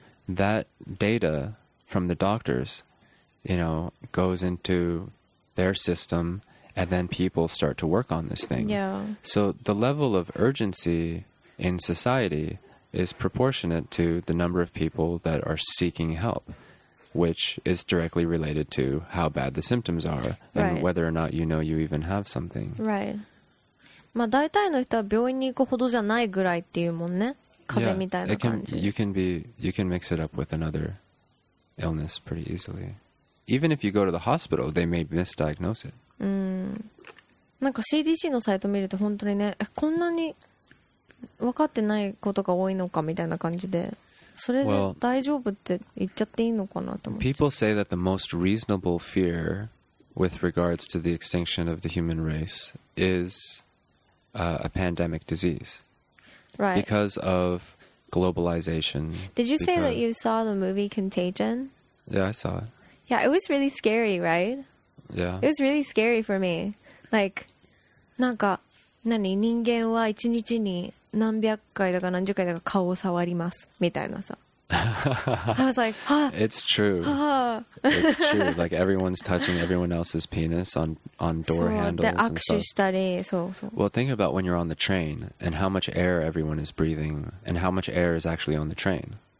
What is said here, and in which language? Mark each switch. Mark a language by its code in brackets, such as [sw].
[en] That data from the doctors, you know, goes into their system, and then people start to work on this thing. Yeah. So the level of urgency in society is proportionate to the number of people that are seeking help. Which is directly related to how bad the symptoms are and right. whether or not you know you even have something. Right. [ja] まあ大体の人は病院に行くほどじゃないぐらいっていうもんね。風邪みたいな感じ。 [en] You can mix it up with another illness pretty easily. Even if you go to the hospital, they may misdiagnose it. [ja] なんか CDC のサイト見ると本当にね、こんなに分かってないことが多いのかみたいな感じで。それで大丈夫って言っちゃっていいのかなと思って。 [en] Well, people say that the most reasonable fear with regards to the extinction of the human race is a pandemic disease. Right. Because of globalization. Did you say that you saw the movie Contagion? Yeah, I saw it. Yeah, it was really scary, right? Yeah. It was really scary for me. [ja] Like, なんか、何、人間は一日に何百回だか何十回だか顔を触りますみたいなさ。 [en] I was like, ha! It's true. It's true. Like everyone's touching everyone else's penis on door handles and stuff. [ja] で握手したり、そうそう。 [en] Well, think about when you're on the train and how much air everyone is breathing and how much air is actually on the train.